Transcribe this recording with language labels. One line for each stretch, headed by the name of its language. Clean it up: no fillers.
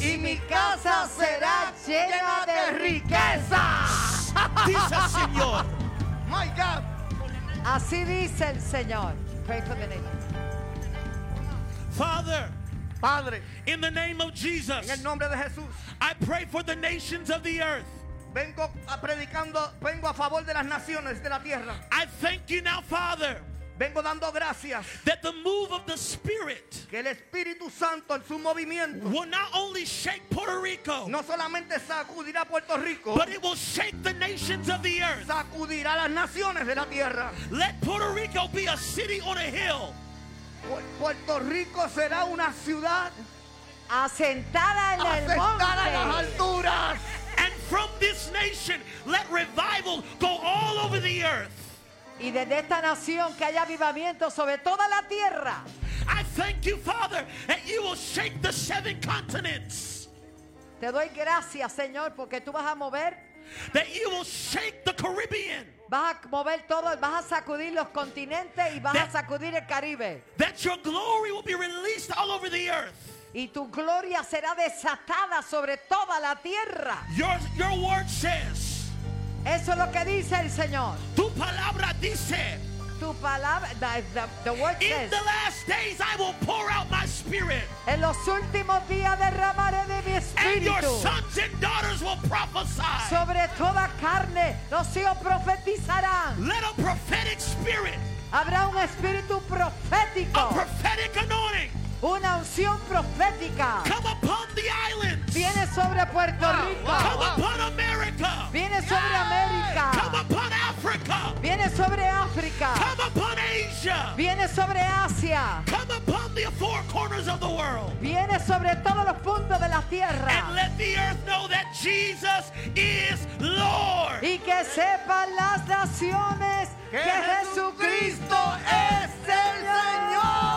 Spanish: Y mi casa será llena de riqueza. Dice el Señor.
English: My God.
Spanish: Así dice el Señor.
English: Pray for the name. Father.
Spanish: Padre.
English: In the name of Jesus.
Spanish: En el nombre de Jesús.
English: I pray for the nations of the earth.
Spanish: Vengo a predicando, vengo a favor de las naciones de la tierra.
English: I thank you now, Father.
Spanish: Vengo dando gracias.
English: That the move of the Spirit.
Spanish: Que el Espíritu Santo en su movimiento.
English: Will not only shake Puerto Rico.
Spanish: No solamente sacudirá Puerto Rico.
English: But it will shake the nations of the earth.
Spanish: Sacudirá las naciones de la tierra.
English: Let Puerto Rico be a city on a hill.
Spanish: Puerto Rico será una ciudad asentada en el monte. Asentada en las alturas.
English: And from this nation, let revival go all over the earth.
Spanish: Y desde esta nación que haya avivamiento sobre toda la tierra.
English: I thank you, Father, that you will shake the seven continents.
Spanish: Te doy gracias, Señor, porque tú vas a mover.
English: That you will shake the Caribbean.
Spanish: Vas a mover todo, vas a sacudir los continentes y vas a sacudir el Caribe.
English: That your glory will be released all over the earth.
Spanish: Y tu gloria será desatada sobre toda la tierra.
English: Your word says.
Spanish: Eso es lo que dice el Señor. Tu palabra dice. Tu palabra,
English: the word in says. In the last days I will pour out my spirit.
Spanish: En los últimos días derramaré de mi espíritu.
English: And your sons and daughters will prophesy.
Spanish: Sobre toda carne, los hijos profetizarán.
English: Let a prophetic spirit.
Spanish: Habrá un espíritu profético.
English: A prophetic anointing.
Spanish: Una unción profética.
English: Come upon the islands.
Spanish: Viene sobre Puerto Rico.
English: Wow, wow, wow. Come upon America.
Spanish: Viene sobre América.
English: Come upon Africa.
Spanish: Viene sobre África.
English: Come upon Asia.
Spanish: Viene sobre Asia.
English: Come upon the four corners of the world.
Spanish: Viene sobre todos los puntos de la tierra.
English: And let the earth know that Jesus is Lord.
Spanish: Y que sepan las naciones que Jesucristo es el Señor.